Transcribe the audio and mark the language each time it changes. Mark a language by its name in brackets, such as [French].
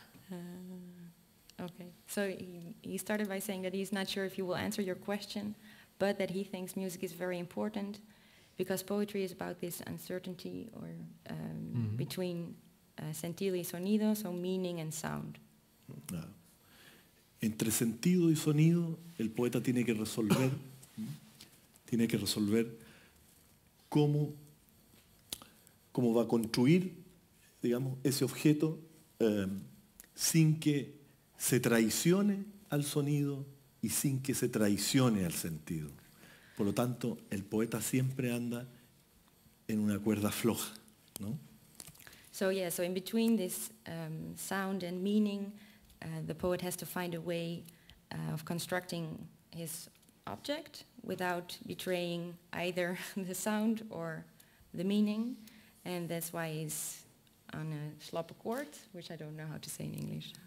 [English] Okay. So he started by saying that he's not sure if he will answer your question, but that he thinks music is very important because poetry is about this uncertainty or mm-hmm. between [Spanish] sentido y sonido, [English] so meaning and sound. [Spanish] Entre sentido y sonido, el poeta tiene que resolver cómo va a construir, digamos, ese objeto sin que se traicione al sonido y sin que se traicione al sentido. Por lo tanto, el poeta siempre anda en una cuerda floja, ¿no? [English] So yeah, so in between this sound and meaning, the poet has to find a way of constructing his object without betraying either the sound or the meaning, and that's why he's on a slop court, which I don't know how to say in English.